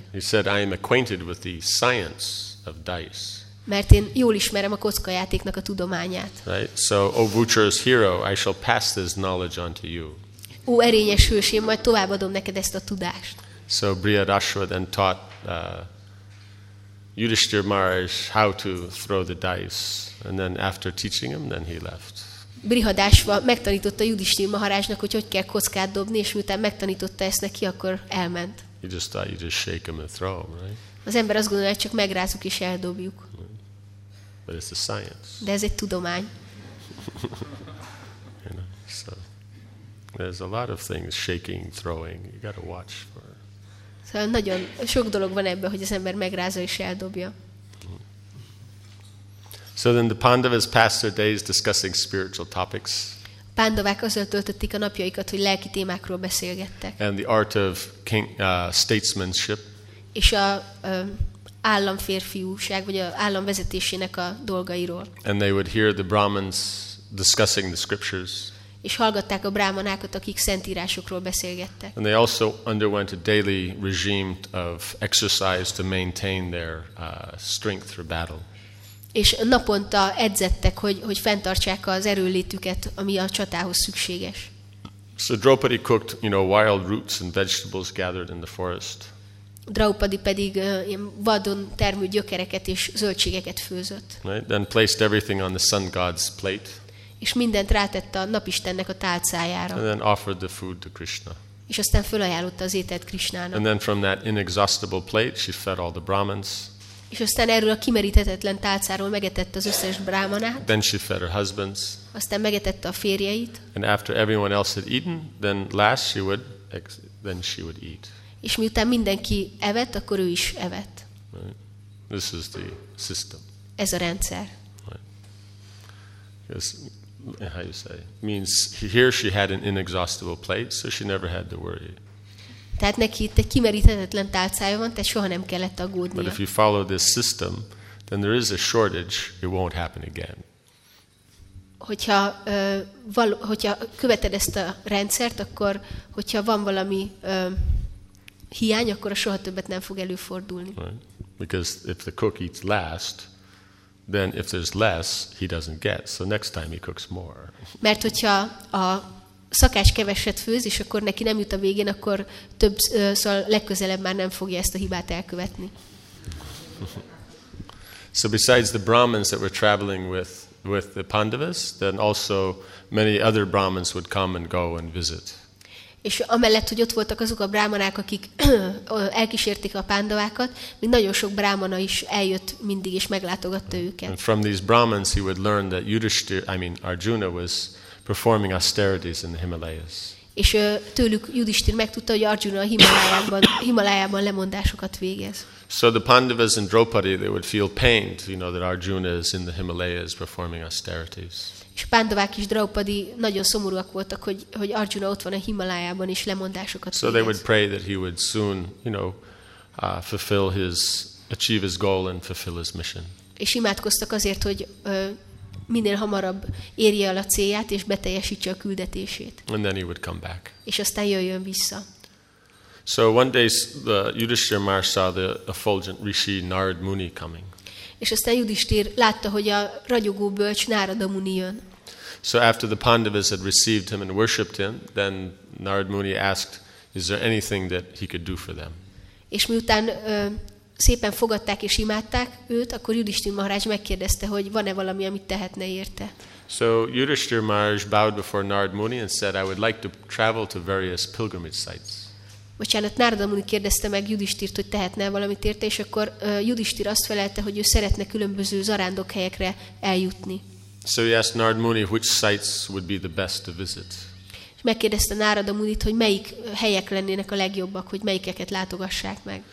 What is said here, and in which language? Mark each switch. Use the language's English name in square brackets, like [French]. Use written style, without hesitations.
[English] He said I am acquainted with the science of dice. [Hungarian] Mert én jól ismerem a kockajátéknak a tudományát. [English] Right? So O Vucher's hero, I shall pass this knowledge on to you. [Hungarian] Ó erényes hős, én majd továbbadom neked ezt a tudást. [English] So Brihadashva then taught Yudhishthira Maharaj how to throw the dice, and then after teaching him, then he left. [Hungarian] Brihadashva megtanította Yudhishthira Maharajnak, hogy hogyan kell kockát dobni, és miután megtanította ezt neki, akkor elment. [English] He just thought you just shake them and throw them, right? [Hungarian] Az ember azt gondolja, hogy csak megrázzuk és eldobjuk. [English] But it's a science. [Hungarian] De ez egy tudomány. [English] You know, so there's a lot of things shaking, throwing. You got to watch for. [Hungarian] Szóval nagyon sok dolog van ebben, hogy az ember megrázza és eldobja. [English] So then the Pandavas passed their days discussing spiritual topics. [Hungarian] Pandavák azzal töltötték a napjaikat, hogy lelki témákról beszélgettek. [English] And the art of king, statesmanship. [Hungarian] És a államférfiúság, vagy a államvezetésének a dolgairól. [English] And they would hear the Brahmins discussing the scriptures. [Hungarian] és hallgatták a brámanákat, akik szentírásokról beszélgettek. [English] And they also underwent a daily regime of exercise to maintain their strength through battle. [Hungarian] És naponta edzettek, hogy fenntartsák az erőllétüket, ami a csatához szükséges. [English] So Draupadi cooked, you know, wild roots and vegetables gathered in the forest. [Hungarian] Draupadi pedig ilyen vadon termő gyökereket és zöldségeket főzött. [English] Right? Then placed everything on the sun god's plate. [Hungarian] És mindent rátette a napistennek a tálcájára. [English] And then offered the food to Krishna. [Hungarian] És aztán felajánlotta az ételt Krishnának. [English] And then from that inexhaustible plate she fed all the brahmins. [Hungarian] És aztán erről a kimeríthetetlen tálcáról megetett az összes brámanát. [English] Then she fed her husbands. [Hungarian] Aztán megetette a férjeit. [English] And after everyone else had eaten, then last she would, then she would eat. [Hungarian] És miután mindenki evett, akkor ő is evett. [English] Right. This is the system. [Hungarian] Ez a rendszer. [English] Right. Because, how you say? Means here she had an inexhaustible plate, so she never had to worry. [Hungarian] Tehát neki itt egy kimeríthetetlen tálcája van, tehát soha nem kellett aggódnia. [English] But if you follow this system, then there is a shortage, it won't happen again. [Hungarian] Hogyha követed ezt a rendszert, akkor hogyha van valami hiány, akkor a soha többet nem fog előfordulni. [English] Right. Because if the cook eats last, then if there's less, he doesn't get. So next time he cooks more. [Hungarian] Mert hogyha a szakács keveset főz, és akkor neki nem jut a végén, akkor több, szóval legközelebb már nem fogja ezt a hibát elkövetni. [English] So besides the Brahmins that were traveling with the Pandavas, then also many other Brahmins would come and go and visit. [Hungarian] És amellett, hogy ott voltak azok a brámanák, akik elkísérték a pándavákat, még nagyon sok brámana is eljött mindig, és meglátogatta őket. [English] And from these Brahmins he would learn that Arjuna was performing austerities in the Himalayas. [Hungarian] És tőlük Yudhishthir megtudta, hogy Arjuna a Himalájában lemondásokat végez. [English] So the Pandavas and Draupadi, they would feel pained, you know, that Arjuna is in the Himalayas performing austerities. [Hungarian] És Pandavák és Draupadi nagyon szomorúak voltak, hogy Arjuna ott van a Himalájában és lemondásokat végez. [English] So they would pray that he would soon, you know, achieve his goal and fulfill his mission. [Hungarian] És imádkoztak azért, hogy minél hamarabb érje el a célját és beteljesítse a küldetését. [English] And then he would come back. [Hungarian] És aztán jöjjön vissza. [English] So one day the Yudhishthira Maharaj saw the effulgent Rishi Narad Muni coming. [Hungarian] És aztán Yudhishthir látta, hogy a ragyogó bölcs Narada Muni jön. [English] So after the Pandavas had received him and worshipped him, then Narad Muni asked, is there anything that he could do for them? [Hungarian] És miután szépen fogadták és imádták őt, akkor Yudhishthira Maharaj megkérdezte, hogy van-e valami, amit tehetne érte. [English] So Yudhishthira Maharaj bowed before Narad Muni and said, I would like to travel to various pilgrimage sites. [Hungarian] Bocsánat, Narada Muni kérdezte meg Yudhishthirt, hogy tehetne valamit érte, és akkor Yudhishthir azt felelte, hogy ő szeretne különböző zarándokhelyekre eljutni. [English] So he asked Narad Muni, which sites would be the best to visit. [Hungarian] És megkérdezte Narada Munit, hogy melyik helyek lennének a legjobbak, hogy melyikeket látogassák meg.